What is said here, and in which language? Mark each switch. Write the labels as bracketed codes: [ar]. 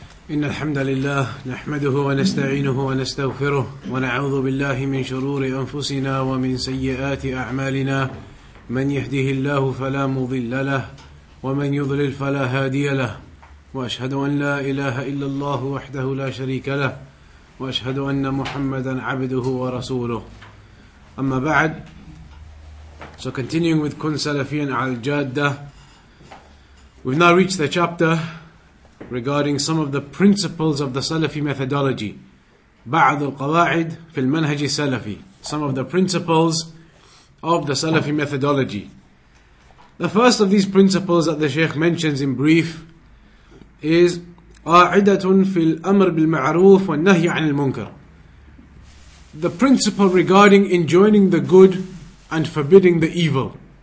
[ar] إن الحمد لله نحمده ونستعينه ونستغفره ونعوذ بالله من شرور أنفسنا ومن سيئات أعمالنا من يهده الله فلا مضل له ومن يضلل فلا هادي له وأشهد أن لا إله إلا الله وحده لا شريك له وأشهد أن محمدا عبده ورسوله أما بعد. [en] So continuing with Kun Salafiyan al-Jadda, we've now reached the chapter regarding some of the principles of the Salafi methodology. [ar] بعض القواعد في المنهج السلفي. [en] Some of the principles of the Salafi methodology. The first of these principles that the Shaykh mentions in brief is قاعدة في الأمر بالمعروف والنهي عن المنكر. The principle regarding enjoining the good and forbidding the evil.